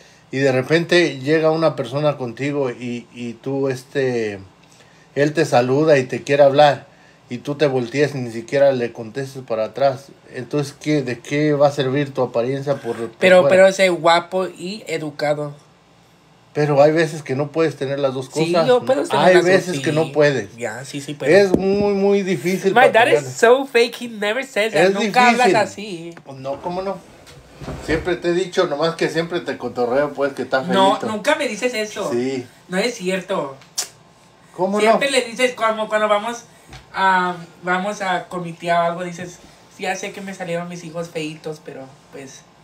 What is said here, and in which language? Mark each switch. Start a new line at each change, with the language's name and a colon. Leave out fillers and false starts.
Spanish: Y de repente llega una persona contigo y tú, él te saluda y te quiere hablar. Y tú te volteas y ni siquiera le contestas para atrás. Entonces, ¿de qué va a servir tu apariencia? Pero ese guapo y educado. Pero hay veces que no puedes tener las dos cosas. Sí, yo puedo tener las dos. Hay veces que no puedes. Ya, sí puedo. Es muy, muy difícil.
English: My dad is so fake, he never says that.
Spanish: Nunca hablas así. No, ¿cómo no? Siempre te he dicho, nomás que siempre te cotorreo, pues, que estás feito. No, nunca me dices eso. Sí. No es cierto. ¿Cómo no? Siempre le dices cuando vamos... vamos a comitear o algo, dices, ya sé que me salieron mis hijos feitos, pero pues...